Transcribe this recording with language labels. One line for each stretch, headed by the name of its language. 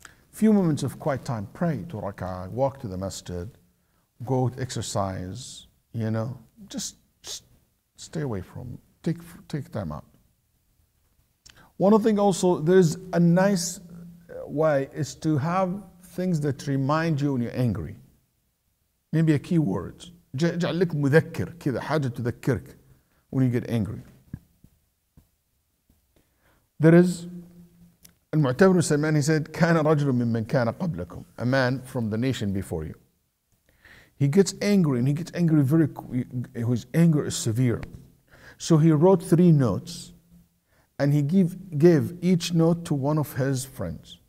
English: Few moments of quiet time, pray to rak'ah, walk to the masjid, go exercise, you know, just stay away from, take time out. One other thing also, there's a nice way is to have things that remind you when you're angry. Maybe a key word.
Arabic: جعلك مذكر كذا حاجة تذكرك
English: when you get angry. There is, المعتبر السلمان, he said,
Arabic: كان رجل ممن كان قبلكم,
English: a man from the nation before you. He gets angry, and he gets angry very, his anger is severe. So he wrote 3 notes, and he gave each note to one of his friends.